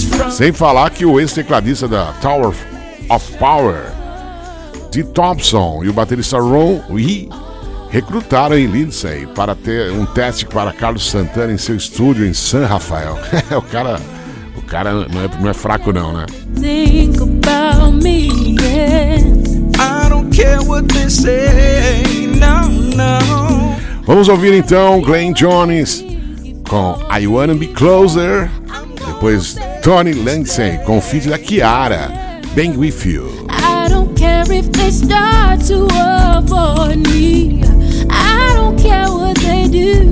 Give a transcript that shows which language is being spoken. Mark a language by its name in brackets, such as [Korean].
[Portuguese] Sem falar que o ex-tecladista da Tower of Power, D. Thompson, e o baterista Ron Wee recrutaram em Lindsay para ter um teste para Carlos Santana em seu estúdio em San Rafael. O cara não é fraco, não, né? [English] Think about me, yeah. I don't care what they say, no, no. [Portuguese] Vamos ouvir então Glenn Jones com I Wanna Be Closer. Depois, Tony Lindsay com o feat da Kiara, Bang With You. [English] I don't care if they start to avoid me. I don't care what they do.